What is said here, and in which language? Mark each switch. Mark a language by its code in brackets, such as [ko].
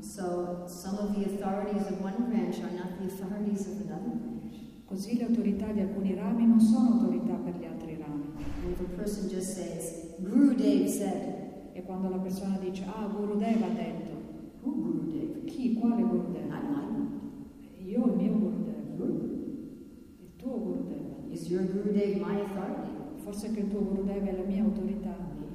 [en] So some of the authorities of one branch are not the authorities of another branch. [it] Così le autorità di alcuni rami non sono autorità per gli altri rami. [en] And if a person just says, Gurudev said. [it] E quando la persona dice, ah, Gurudev ha detto. [en] Who Gurudev? [it] Chi? Quale Gurudev? [en] Not my Gurudev. [it] Io, il mio Gurudev. [en] Gurudev. [it] Il tuo Gurudev. [en] Is your Gurudev my authority? [it] Forse che il tuo Gurudev è la mia autorità.